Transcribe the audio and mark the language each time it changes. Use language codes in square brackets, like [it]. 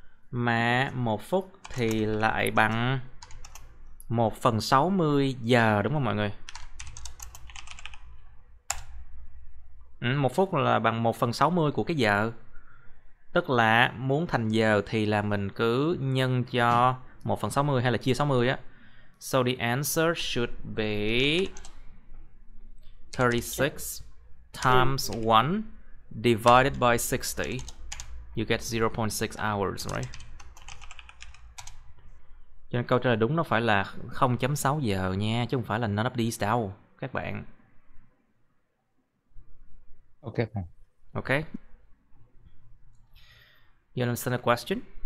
[vi] Mà 1 phút thì lại bằng 1 phần 60 giờ đúng không mọi người? Ừ, 1 phút là bằng 1 phần 60 của cái giờ. Tức là muốn thành giờ thì là mình cứ nhân cho 1 phần 60 hay là chia 60 á. [en] So the answer should be 36 times 1 divided by 60. You get 0.6 hours, right? [vi] Cho nên câu trả lời đúng nó phải là 0.6 giờ nha, chứ không phải là [en] none of these [vi] đâu các bạn. Ok. Ok. [en] Understand the question?